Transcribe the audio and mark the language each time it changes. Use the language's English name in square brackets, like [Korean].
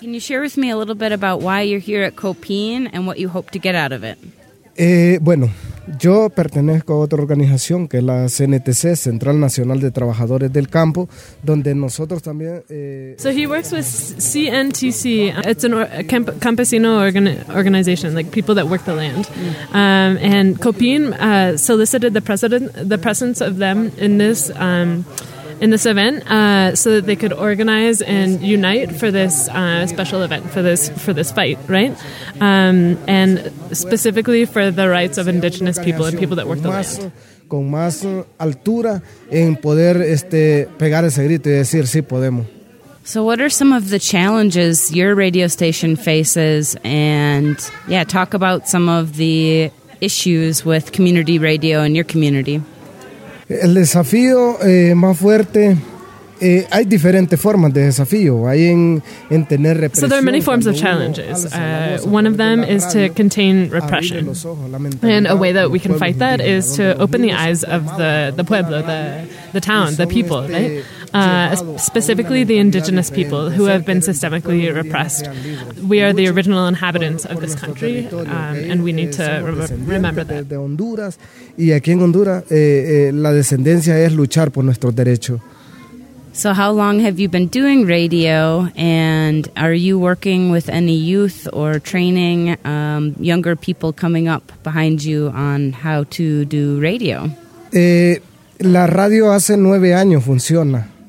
[English] Can you share with me a little bit about why you're here at Copin and what you hope to get out of it? [Spanish] Bueno, yo pertenezco a otra organización que es la CNTC, Central Nacional de Trabajadores del Campo, donde nosotros también... [English] So he works with CNTC. It's a campesino organization, like people that work the land. And Copin solicited the presence of them in this event so that they could organize and unite for this special event, for this fight, right? And specifically for the rights of indigenous people and people that work the land. [Spanish] Con más altura en poder pegar ese grito y decir, sí, podemos. [English] So what are some of the challenges your radio station faces? And, yeah, talk about some of the issues with community radio in your community. [Spanish] El desafío más fuerte, hay diferentes formas de desafío, hay en tener represión. [English] So there are many forms of challenges. One of them is to contain repression. And a way that we can fight that is to open the eyes of the pueblo, the town, the people, right? Specifically the indigenous people who have been systemically repressed. We are the original inhabitants of this country, and we need to remember that. [Spanish] De Honduras, y aquí en Honduras, la descendencia es luchar por nuestros derechos. [English] So how long have you been doing radio, and are you working with any youth or training younger people coming up behind you on how to do radio? [Spanish] La radio hace 9 años funciona.